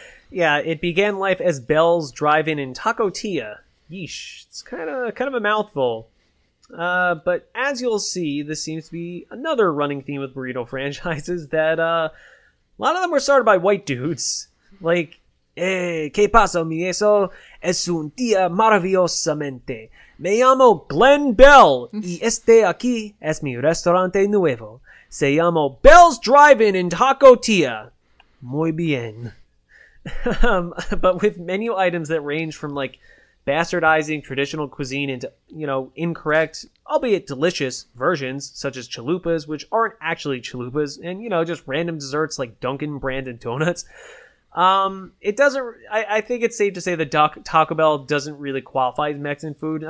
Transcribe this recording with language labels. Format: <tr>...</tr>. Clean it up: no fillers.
<en>Yeah, it began life as Bell's Drive-In in Tacotilla. Yeesh, it's kind of a mouthful. But as you'll see, this seems to be another running theme with burrito franchises that a lot of them were started by white dudes. Like, hey,</en> <es>¿qué pasó, mi eso? Es un día maravillosamente. Me llamo Glenn Bell, y este aquí es mi restaurante nuevo. Se llamo Bell's Drive-In in Tacotilla. Muy bien.</es> <en>But with menu items that range from, like, bastardizing traditional cuisine into, you know, incorrect, albeit delicious, versions, such as chalupas, which aren't actually chalupas, and, you know, just random desserts like Dunkin' brand and donuts, it doesn't, I think it's safe to say that Taco Bell doesn't really qualify as Mexican food.</en>